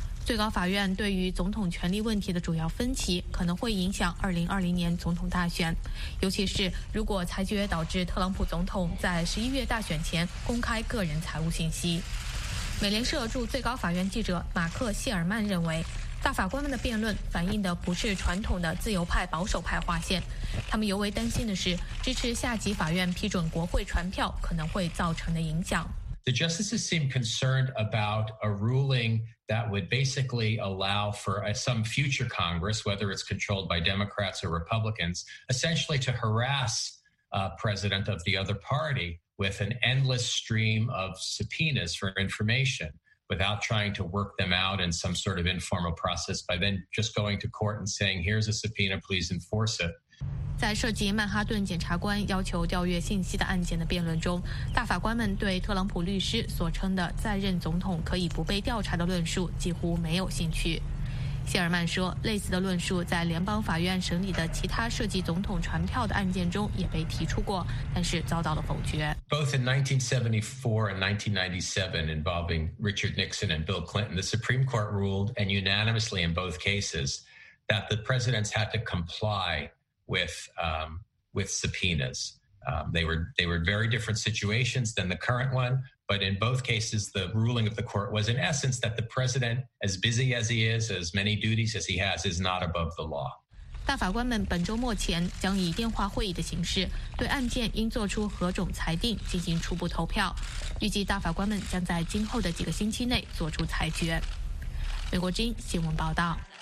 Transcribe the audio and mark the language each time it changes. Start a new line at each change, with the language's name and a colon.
Chinese: 最高法院对于总统权力问题的主要分歧可能会影响2020年总统大选，尤其是如果裁决导致特朗普总统在11月大选前公开个人财务信息。美联社驻最高法院记者马克·谢尔曼认为，大法官们的辩论反映的不是传统的自由派保守派划线，他们尤为担心的是支持下级法院批准国会传票可能会造成的影响。
English: The justices seem concerned about a ruling that would basically allow for some future Congress, whether it's controlled by Democrats or Republicans, essentially to harass a president of the other party with an endless stream of subpoenas for information without trying to work them out in some sort of informal process by then just going to court and saying, here's a subpoena, please enforce it.
Chinese: 在涉及曼哈顿检察官要求调阅信息的案件的辩论中，大法官们对特朗普律师所称的在任总统可以不被调查的论述几乎没有兴趣。谢尔曼说，类似的论述在联邦法院审理的其他涉及总统传票的案件中也被提出过，但是遭到了否决。
English: Both in 1974 and 1997 involving Richard Nixon and Bill Clinton, the Supreme Court ruled and unanimously in both cases that the presidents had to comply. With subpoenas. They were very different situations than the current one, but in both cases, the ruling of the court was in essence that the president, as busy as he is, as many duties as he has, is not above the law.
Chinese: 大法官们本周末前将以电话会议的形式对案件应做出何种裁定进行初步投票。预计大法官们将在今后的几个星期内做出裁决。美国之音新闻报道。